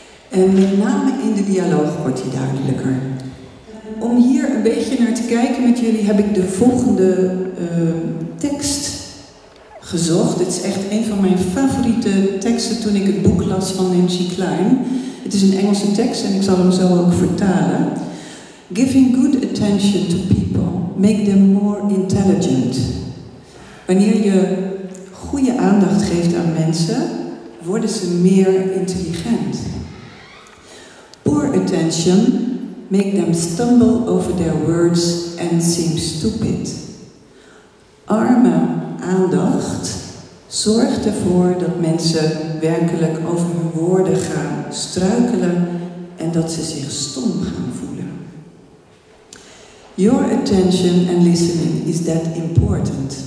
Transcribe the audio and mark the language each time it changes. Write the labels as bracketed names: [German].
[Dutch] En met name in de dialoog wordt die duidelijker. Om hier een beetje naar te kijken met jullie heb ik de volgende tekst gezocht. Het is echt een van mijn favoriete teksten toen ik het boek las van Nancy Klein. Het is een Engelse tekst en ik zal hem zo ook vertalen. [English] Giving good attention to people make them more intelligent. [Dutch] Wanneer je goede aandacht geeft aan mensen, worden ze meer intelligent. [English] Poor attention make them stumble over their words and seem stupid. [Dutch] Arme aandacht zorgt ervoor dat mensen werkelijk over hun woorden gaan struikelen en dat ze zich stom gaan voelen. [English] Your attention and listening is that important.